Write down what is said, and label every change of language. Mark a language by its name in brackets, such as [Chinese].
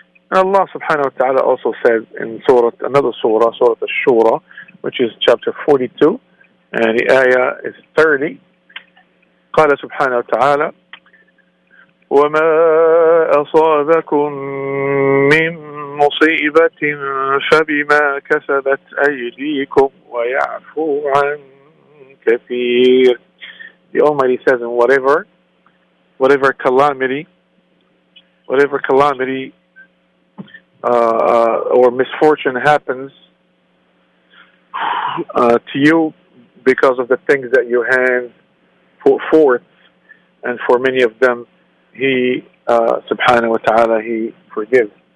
[English] And Allah subhanahu wa ta'ala also said in surah, another surah, Surah Ash-Shura, which is chapter 42, and the ayah is 30. [Arabic] قال سبحانه وتعالى وما أصابكم من مصيبة فبما كسبت أيديكم ويعفو عن كثير. [English] The Almighty says, and whatever calamity or misfortune happens to you because of the things that your hands put forth, and for many of them, He, subhanahu wa ta'ala, He forgives.